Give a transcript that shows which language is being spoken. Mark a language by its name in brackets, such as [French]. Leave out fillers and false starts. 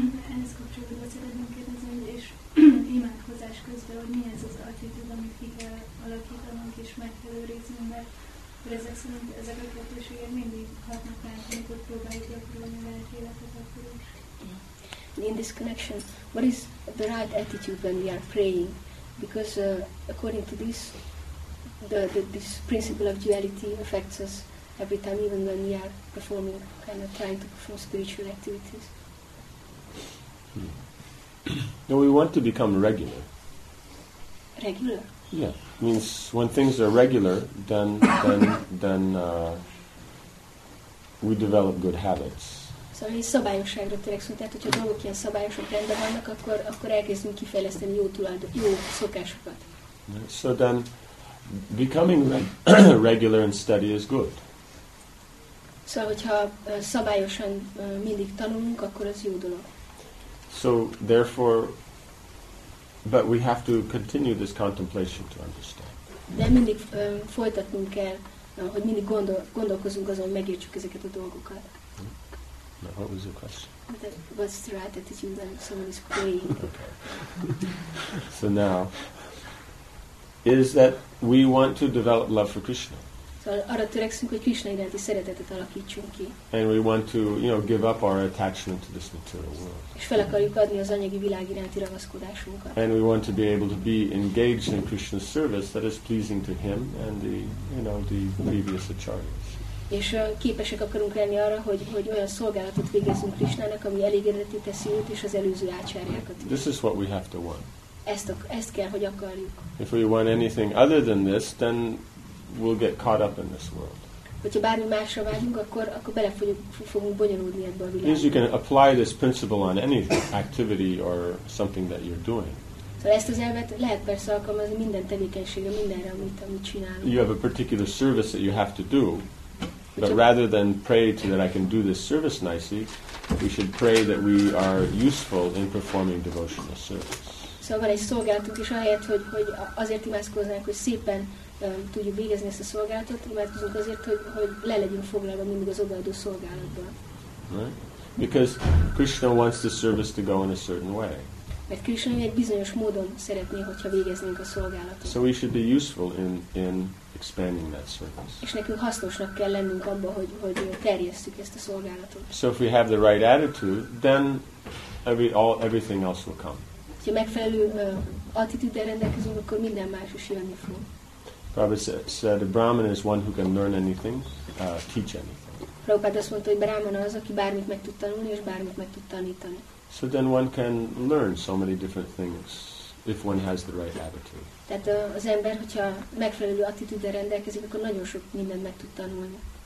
[Hungarian] Ehhez kapcsolatban azt szeretném kérdezni, hogy és imádkozás közben, hogy mi ez az attitűd, amit ki kell alakítanunk és meg kell őrizni, mert ezek szerint ezek a kettőségek mindig hatnak rá, amikor próbáljuk gyakorolni a lelki életet akkor is. [English] In this connection, what is the right attitude when we are praying? Because according to this, this principle of duality affects us every time, even when we are performing, kind of trying to perform spiritual activities. No, we want to become regular. Regular? Yeah. It means when things are regular, then we develop good habits. [Hungarian] Szóval így szabályosságra törekszünk, tehát hogyha dolgok ilyen szabályosok rendben vannak, akkor elkezdünk kifejleszteni jó szokásokat. [English] So then, becoming regular and steady is good. [Hungarian] Szóval, hogyha szabályosan mindig tanulunk, akkor az jó dolog. [English] So therefore, but we have to continue this contemplation to understand. [Hungarian] De mindig folytatnunk kell, hogy mindig gondolkozunk azon, hogy megértsük ezeket a dolgokat. [English] Now, what was your question? What's the right attitude when someone is praying? So now, is that we want to develop love for Krishna. [Hungarian] Arra törekszünk, hogy Krishna iránti szeretetet alakítsunk ki. [English] And we want to, you know, give up our attachment to this material world. [Hungarian] És fel akarjuk adni az anyagi világ iránti ragaszkodásunkat. [English] And we want to be able to be engaged in Krishna's service that is pleasing to him and the, you know, the previous acharyas. [Hungarian] És képesek akarunk lenni arra, hogy olyan szolgálatot végezzünk Krishnának, ami elégedetté teszi őt és az előző acharyákat. [English] This is what we have to want. [Hungarian] Ezt kell, hogy akarjuk. [English] If we want anything other than this, then we'll get caught up in this world. [Hungarian] Hogyha bármi másra vágyunk, akkor fogunk bonyolódni ebbe a világba. [English] Means you can apply this principle on any activity or something that you're doing. [Hungarian] Szóval ezt az elvet lehet persze alkalmazni minden tevékenységre, mindenre, amit csinálunk. [English] You have a particular service that you have to do, but rather than pray to that I can do this service nicely, we should pray that we are useful in performing devotional service. [Hungarian] Szóval van egy szolgálatunk, és ahelyett, hogy azért imádkoznánk, hogy szépen tudjuk végezni ezt a szolgálatot, imádkozunk azért, hogy le legyünk foglalva mindig az odaadó szolgálatban. [English] Right? Because Krishna wants the service to go in a certain way. [Hungarian] Mert Krishna egy bizonyos módon szeretné, hogyha végeznénk a szolgálatot. [English] So we should be useful in expanding that service. [Hungarian] És nekünk hasznosnak kell lennünk abban, hogy terjesszük ezt a szolgálatot. [English] So if we have the right attitude, then everything else will come. [Hungarian] Ha megfelelő attitűddel rendelkezünk, akkor minden más is jönni fog. [English] Prabhupada said a Brahman is one who can learn anything, teach anything. [Hungarian] Prabhupada azt mondta, hogy Brahmana az, aki bármit meg tud tanulni és bármit meg tud tanítani. [English] So then one can learn so many different things if one has the right attitude. [Hungarian] Tehát az ember, hogyha megfelelő attitűddel rendelkezik, akkor nagyon sok mindent meg tud tanulni.